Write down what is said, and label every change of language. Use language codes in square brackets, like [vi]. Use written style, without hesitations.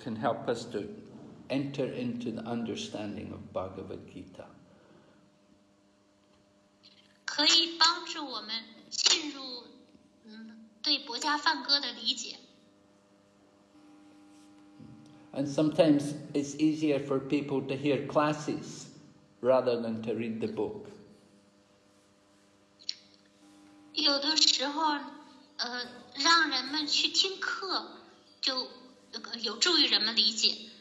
[en] Can help us to enter into the understanding of Bhagavad Gita. [zh] 可以帮助我们进入对《博家梵歌》的理解。And [en] sometimes it's easier for people to hear classes rather than to read the book. [zh] 有的时候，让人们去听课，就有助于人们理解。